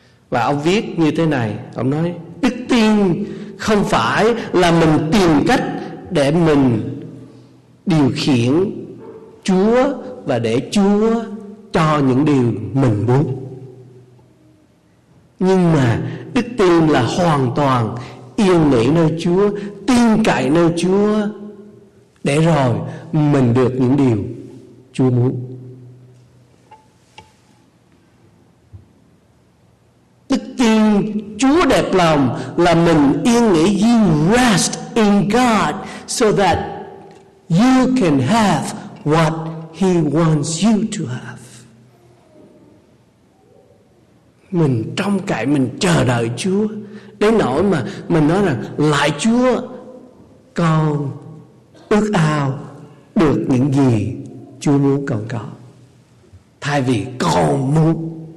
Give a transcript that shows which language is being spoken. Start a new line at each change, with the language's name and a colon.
Vietnamese: Và ông viết như thế này, ông nói đức tin không phải là mình tìm cách để mình điều khiển Chúa và để Chúa cho những điều mình muốn, nhưng mà đức tin là hoàn toàn yên nghỉ nơi Chúa, tin cậy nơi Chúa, để rồi mình được những điều Chúa muốn. Đức tin Chúa đẹp lòng là mình yên nghỉ.
English: You rest in God so that you can have what He wants you to have.
Vietnamese: Mình trông cậy, mình chờ đợi Chúa, đến nỗi mà mình nói rằng lại Chúa, con ước ao được những gì Chúa muốn con có, thay vì con muốn.